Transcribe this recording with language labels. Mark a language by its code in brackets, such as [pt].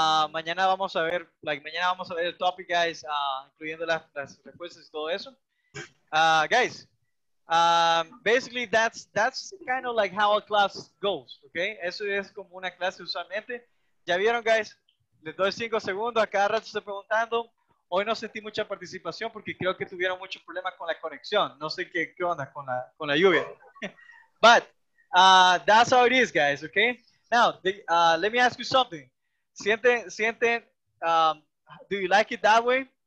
[es] Mañana vamos a ver, like, mañana vamos a ver el topic, guys, incluyendo las respuestas y todo eso. [en] Guys, basically that's kind of like how a class goes, okay? [es] Eso es como una clase usualmente. ¿Ya vieron, guys? Les doy 5 segundos, a cada rato estoy preguntando. Hoy no sentí mucha participación porque creo que tuvieron mucho problema con la conexión. No sé qué onda con la lluvia. [en] But that's how it is, guys, okay? Now, let me ask you something. Sienten, do you like it that way?